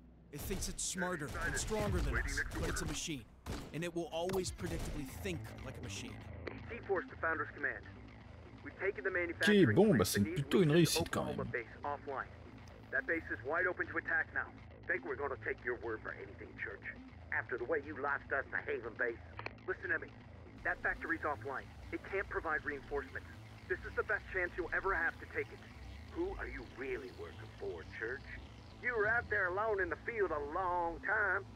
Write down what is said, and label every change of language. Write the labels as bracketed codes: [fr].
[en] It thinks it's smarter and stronger than us, but it's a machine. And it will always predictably think like a machine. C-Force, the founder's command. We've taken the manufacturing. [fr] Ok, bon, bah c'est plutôt une réussite quand même. [en] That base is wide open to attack now. Think we're gonna take your word for anything, Church. After the way you lost us to Haven Base. Listen to me. That factory's offline. It can't provide reinforcements. This is the best chance you'll ever have to take it. Who are you really working for, Church? You were out there alone in the field a long time.